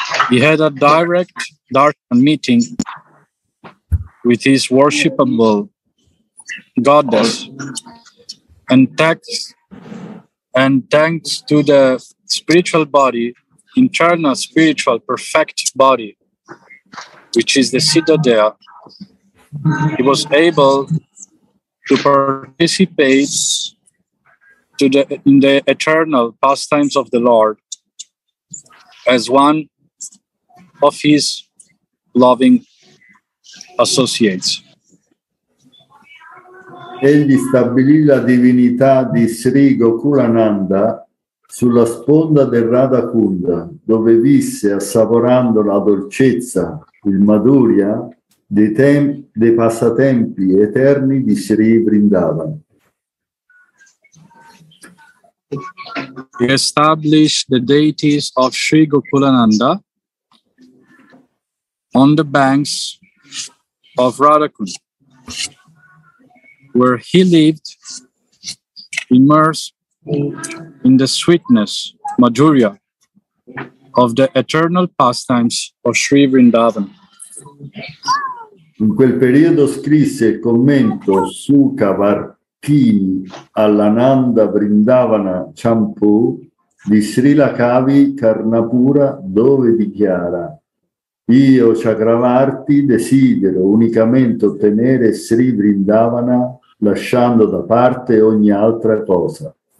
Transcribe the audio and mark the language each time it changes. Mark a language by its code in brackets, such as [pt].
[en] He had a direct darshan meeting with his worshipable goddess, and thanks to the spiritual body, internal spiritual perfect body, which is the Siddhadeha, he was able to participate in the eternal pastimes of the Lord as one of his loving associates. [it] Egli stabilì la divinità di Sri Gokulananda sulla sponda del Radha Kunda, dove visse assaporando la dolcezza, il madhurya, dei passatempi eterni di Sri Vrindavan. [en] He established the deities of Sri Gokulananda on the banks of Radhakund, where he lived immersed in the sweetness, madhurya, of the eternal pastimes of Sri Vrindavan. [it] In quel periodo scrisse il commento Sukha Varkini all'Ananda Vrindavana Champu di Srila Kavi Karnapura, dove dichiara: io, Chakravarti, desidero unicamente ottenere Sri Vrindavana lasciando da parte ogni altra cosa.